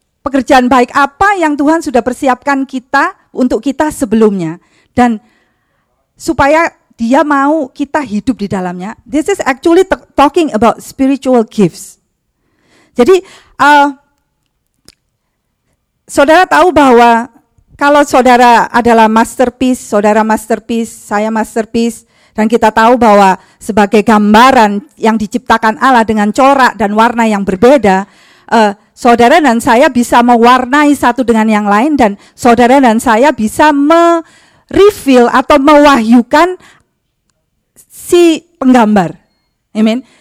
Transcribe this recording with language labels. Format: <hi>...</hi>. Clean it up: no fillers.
<id>Pekerjaan baik apa yang Tuhan sudah persiapkan kita untuk kita sebelumnya, dan supaya dia mau kita hidup di dalamnya.</id> <en>This is actually talking about spiritual gifts.</en> <id>Jadi, saudara tahu bahwa kalau saudara adalah masterpiece, saudara masterpiece, saya masterpiece, dan kita tahu bahwa sebagai gambaran yang diciptakan Allah dengan corak dan warna yang berbeda, saudara dan saya bisa mewarnai satu dengan yang lain, dan saudara dan saya bisa mereveal atau mewahyukan si penggambar. Amen.</id>